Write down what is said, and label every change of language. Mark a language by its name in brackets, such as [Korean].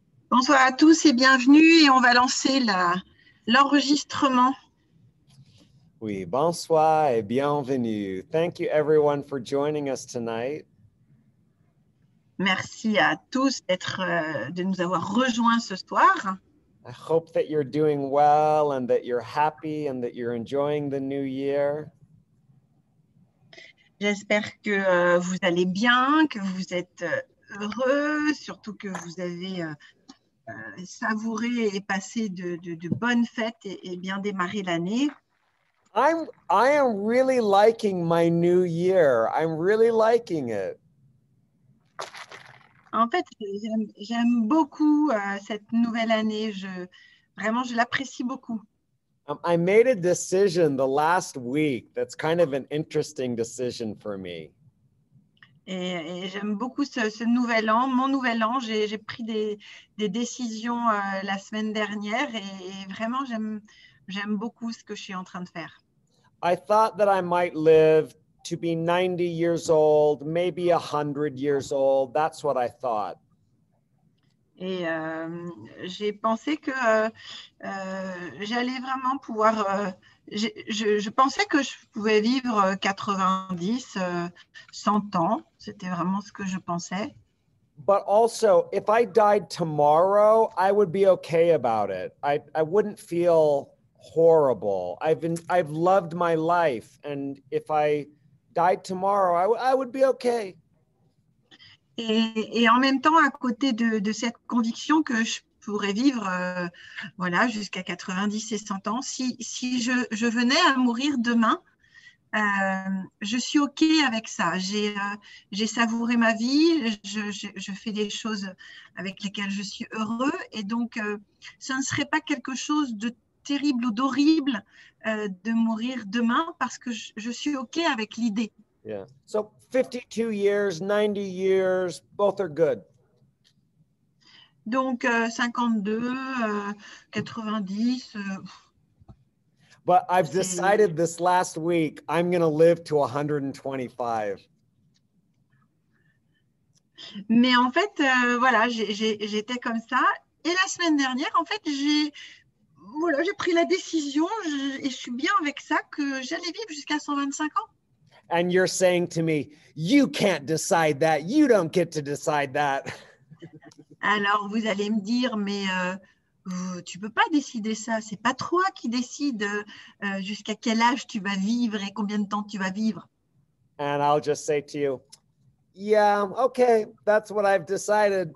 [French] Bonsoir à tous et bienvenue, et on va lancer l'enregistrement. Oui, bonsoir et bienvenue. [English] Thank you everyone for joining us tonight. [French] Merci à tous de nous avoir rejoints ce soir. [English] I hope that you're doing well and that you're happy and that you're enjoying the new year. [French] J'espère que vous allez bien, que vous êtes heureux, surtout que vous avez savouré et passé de bonnes fêtes et bien démarré l'année. [English] I am really liking my new year. I'm really liking it. [French] En fait, j'aime beaucoup cette nouvelle année. Je l'apprécie beaucoup. [English] I made a decision the last week that's kind of an interesting decision for me. [French] Et j'aime beaucoup ce nouvel an, mon nouvel an. J'ai pris des décisions la semaine dernière et vraiment j'aime beaucoup ce que je suis en train de faire. [English] I thought that I might live to be 90 years old, maybe 100 years old. That's what I thought. [French] Et j'ai pensé que j'allais vraiment pouvoir. Je pensais que je pouvais vivre 90, 100 ans. C'était vraiment ce que je pensais. [English] But also, if I died tomorrow, I would be okay about it. I wouldn't feel horrible. I've loved my life, and if I died tomorrow, I would be okay. [French] Et en même temps, à côté de cette conviction que je pourrais vivre voilà, jusqu'à 90 et 100 ans, si je venais à mourir demain, je suis OK avec ça. J'ai savouré ma vie, je fais des choses avec lesquelles je suis heureux. Et donc, ce ne serait pas quelque chose de terrible ou d'horrible de mourir demain parce que je suis OK avec l'idée. [English] Yeah. So 52 years, 90 years, both are good. [French] Donc 52, 90. [English] But I've decided this last week I'm going to live to 125. [French] Mais en fait, voilà, j'étais comme ça. Et la semaine dernière, en fait, j'ai pris la décision et je suis bien avec ça que j'allais vivre jusqu'à 125 ans. [English] And you're saying to me, you can't decide that. You don't get to decide that. [French] Alors, vous allez me dire, mais tu ne peux pas décider ça. Ce n'est pas toi qui décides jusqu'à quel âge tu vas vivre et combien de temps tu vas vivre. [English] And I'll just say to you, yeah, okay, that's what I've decided.